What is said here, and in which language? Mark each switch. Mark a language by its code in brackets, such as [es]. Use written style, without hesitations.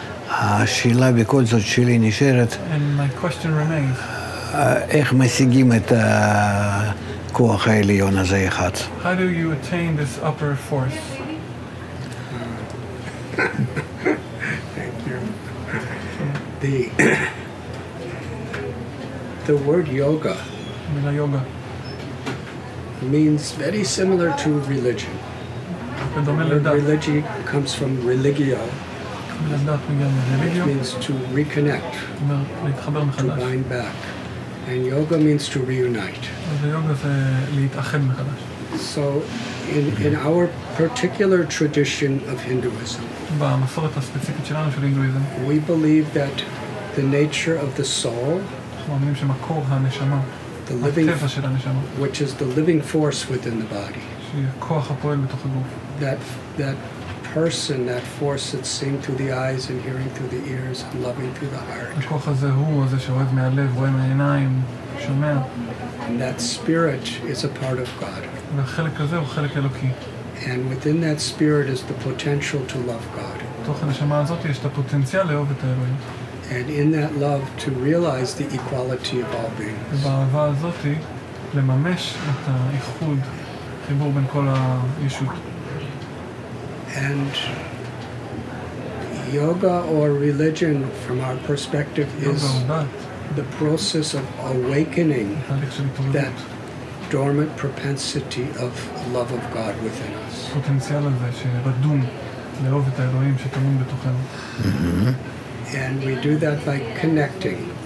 [he] והשאלה בכל זאת שלי נשארת. [en] And my question remains. [he] איך משיגים את ה... כוח העליון הזה אחד. [en] How do you attain this upper force? Thank you. The word yoga. [he] מילה יוגה. [en] Means very similar to religion. [he] בדומה לדת. [en] Religion comes from religio. [he] לדת מגיע מ-religio. [en] Means to reconnect. [he] להתחבר מחדש. [en] To bind back. And yoga means to reunite. [he] Yoga זה להתאחד מחדש. [en] So in our particular tradition of Hinduism, [he] במסורת הספציפית שלנו של הינדואיזם, [en] we believe that the nature of the soul, [he] מאמינים שמקור הנשמה, [en] the living, [he] הטבע של הנשמה, [en] which is the living force within the body, [he] שכוח הפועל בתוך הגוף, [en] that person, that force that's seeing through the eyes and hearing through the ears and loving through the heart. [he] הכוח הזה הוא, הזה שאוהב מהלב, רואה מהעיניים, שומע. [en] And that spirit is a part of God. [he] והחלק הזה הוא חלק אלוקי. [en] And within that spirit is the potential to love God. [he] בתוך הנשמה הזאת יש את הפוטנציאל לאהוב את האלוהים. [en] And in that love to realize the equality of all beings. [he] ובאהבה הזאת לממש את האיחוד, חיבור בין כל הישות. [en] And yoga or religion from our perspective is the process of awakening that dormant propensity of love of God within us. [he] פוטנציאל הזה שרדום לאהוב את האלוהים שטמון בתוכנו. [en] And we do that by connecting